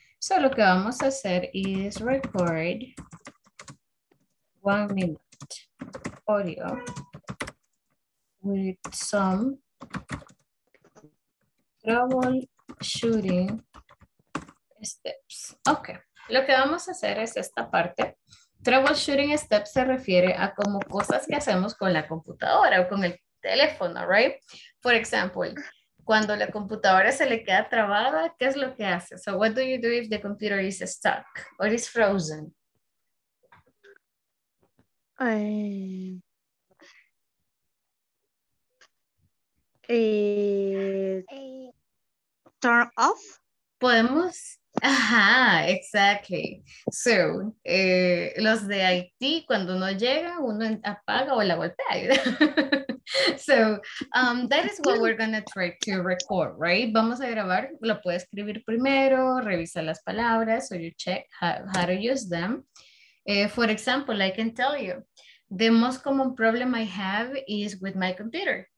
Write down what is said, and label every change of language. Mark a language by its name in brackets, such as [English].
[English] So, [Spanish] lo que vamos a hacer [English] is record 1 minute audio with some troubleshooting steps. [Spanish] Ok, lo que vamos a hacer es esta parte. Troubleshooting steps se refiere a como cosas que hacemos con la computadora o con el teléfono, right? For example, cuando la computadora se le queda trabada, ¿qué es lo que hace? [English] So what do you do if the computer is stuck or is frozen? Turn off? [Spanish] Podemos. Ajá, [English] exactly. [Spanish] So, los de IT, cuando uno llega, uno apaga o la golpea. [English] So, that is what we're going to try to record, right? [Spanish] Vamos a grabar, lo puede escribir primero, revisa las palabras, [English] so you check how to use them. For example, I can tell you, the most common problem I have is with my computer.